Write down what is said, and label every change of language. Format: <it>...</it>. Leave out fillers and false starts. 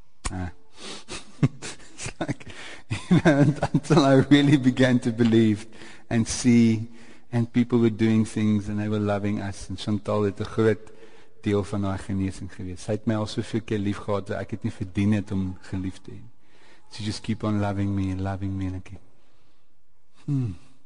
<en>It's like, until I really began to believe and see, and people were doing things and they were loving us, and</en> <af>Chantal het 'n groot deel van haar genesing gewees. Sy het my al soveel keer lief gehad dat ek het nie verdien het om geliefd te hê.</af> <en>She just keep on loving me and loving me again.</en>